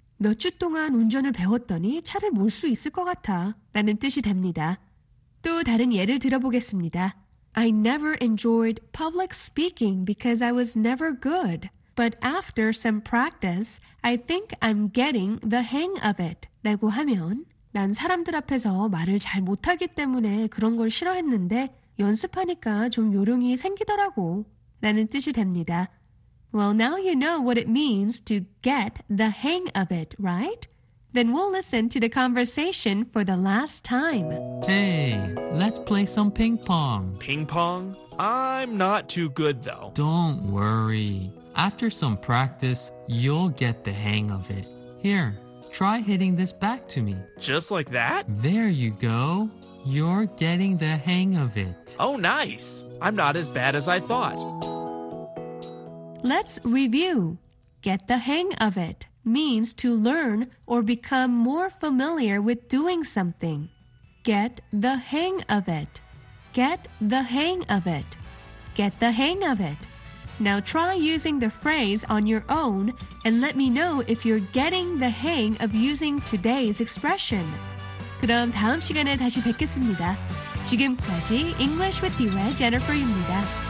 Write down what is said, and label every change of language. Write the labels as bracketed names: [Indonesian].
[Korean] 몇 주 동안 운전을 배웠더니 차를 몰 수 있을 것 같아 라는 뜻이 됩니다. 또 다른 예를 들어보겠습니다. [English] I never enjoyed public speaking because I was never good. But after some practice, I think I'm getting the hang of it. [Korean] 라고 하면 난 사람들 앞에서 말을 잘 못하기 때문에 그런 걸 싫어했는데 연습하니까 좀 요령이 생기더라고 라는 뜻이 됩니다. [English] Well, now you know what it means to get the hang of it, right? Then we'll listen to the conversation for the last time. Hey, let's play some ping pong. Ping pong? I'm not too good, though. Don't worry. After some practice, you'll get the hang of it. Here, try hitting this back to me. Just like that? There you go. You're getting the hang of it. Oh, nice. I'm not as bad as I thought. Let's review. Get the hang of it. Means to learn or become more familiar with doing something. Get the hang of it. Get the hang of it. Get the hang of it. Now try using the phrase on your own and let me know if you're getting the hang of using today's expression. [Korean] 그럼 다음 시간에 다시 뵙겠습니다. 지금까지 English with Dee Jennifer입니다.